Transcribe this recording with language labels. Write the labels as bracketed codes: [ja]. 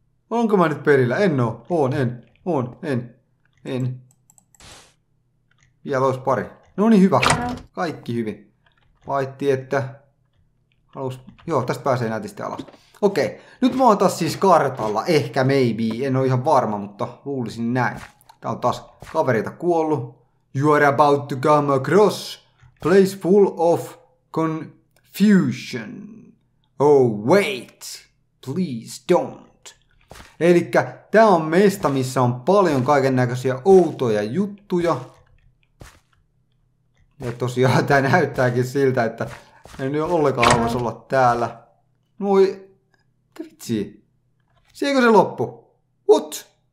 [fi] Onko mä nyt perillä? En oo. En. Vielä olisi pari. No niin, hyvä. Kaikki hyvin. Paitsi, että halus. Joo, tästä pääsee nätisti alas. Okei, nyt mä oon taas siis kartalla. Ehkä, maybe. En oo ihan varma, mutta luulisin näin. Tää on taas kaverita kuollut. [en] You are about to come across place full of confusion. Oh, wait. Please don't. [fi] Elikkä tää on mesta, missä on paljon kaiken näköisiä outoja juttuja. Ja tosiaan tää näyttääkin siltä, että en ole ollenkaan haluaisi olla täällä. Noi, mitä vitsii? Siinkö se loppu? What?